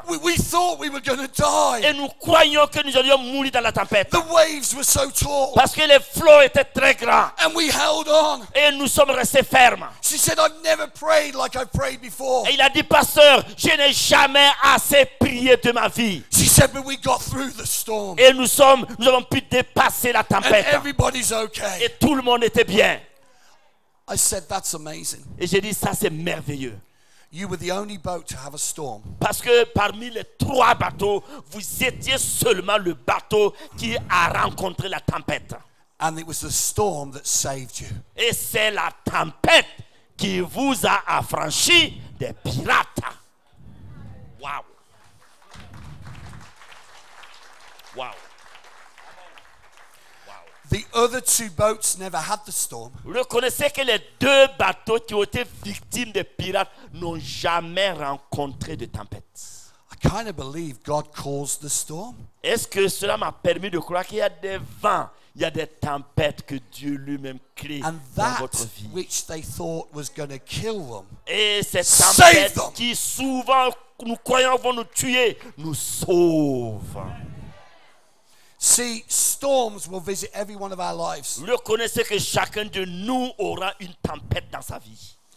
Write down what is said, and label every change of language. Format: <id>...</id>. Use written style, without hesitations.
<en>We thought we were going to die.</en> <fr>Et nous croyions que nous allions mourir dans la tempête.</fr> <en>The waves were so tall.</en> <fr>Parce que les flots étaient très grands.</fr> <en>And we held on.</en> <fr>Et nous sommes restés fermes.</fr> <en>She said, I've never prayed like I prayed before.</en> <fr>Et il a dit, pasteur, je n'ai jamais assez prié de ma vie.</fr> <en>She said, but we got through the storm.</en> <fr>Et nous avons pu dépasser la tempête.</fr> <en>And everybody's okay.</en> <fr>Et tout le monde était bien.</fr> <en>I said, that's amazing.</en> <fr>Et j'ai dit, ça c'est merveilleux.</fr> <en>You were the only boat to have a storm.</en> <fr>Parce que parmi les trois bateaux, vous étiez seulement le bateau qui a rencontré la tempête.</fr> <en>And it was the storm that saved you.</en> <fr>Et c'est la tempête qui vous a affranchi des pirates.</fr> <en>Wow.</en> <fr>Wow.</fr> <en>The other two boats never had the storm.</en> <fr>Reconnaissez que les deux bateaux qui ont été victimes des pirates n'ont jamais rencontré de tempête.</fr> <en>I kind of believe God caused the storm.</en> <fr>Est-ce que cela m'a permis de croire qu'il y a des vents, il y a des tempêtes que Dieu lui-même crée dans votre vie?</fr> <en>And that which they thought was going to kill them.</en> <fr>Et ces tempêtes qui souvent nous croyons vont nous tuer, nous sauvent.</fr> <en>See, storms will visit every one of our lives.</en> <fr>Reconnaissez que chacun de nous aura une tempête dans sa vie.</fr>